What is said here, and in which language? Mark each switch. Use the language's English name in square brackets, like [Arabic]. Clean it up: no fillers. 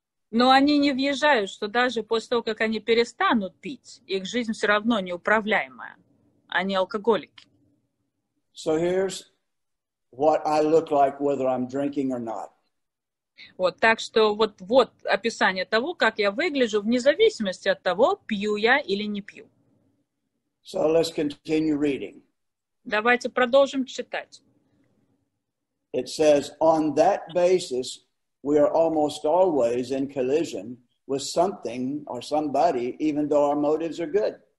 [Russian] Но они не въезжают, что даже после того, как они перестанут пить, их жизнь все равно неуправляемая. Они алкоголики. [English] So here's what I look like, whether I'm drinking or not. [Russian] Вот, так что вот описание того, как я выгляжу, вне зависимости от того, пью я или не пью. [English] So let's continue reading. [Russian] Давайте продолжим читать. [English] It says, on that basis, we are almost always in collision with something or somebody, even though our motives are good.